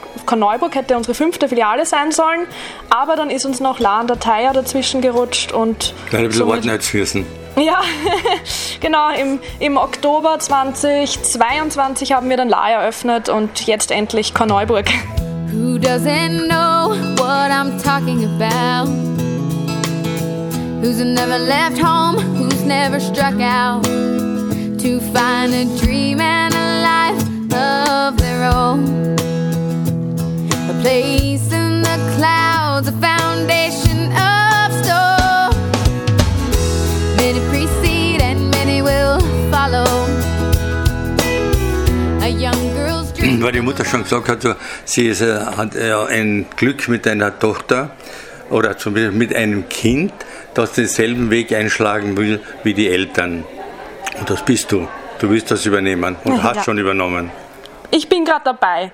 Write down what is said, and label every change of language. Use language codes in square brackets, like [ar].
[de] Korneuburg hätte unsere fünfte Filiale sein sollen, aber dann ist uns noch La an der Thaya dazwischen gerutscht und ein bisschen Worten erzfüßen. Ja, genau, im Oktober 2022 haben wir dann La eröffnet und jetzt endlich Korneuburg. [en] Who doesn't know what I'm talking about? Who's never left home, who's never struck out to find a dream and a life of their own. Place in the clouds, a foundation of stone. Many precede and many will follow. A young girl's dream. [de] weil die Mutter schon gesagt hat, sie ist, hat ein Glück mit einer Tochter oder zum Beispiel mit einem Kind, das denselben Weg einschlagen will wie die Eltern. Und das bist du. Du willst das übernehmen und hast schon übernommen. Ich bin gerade dabei.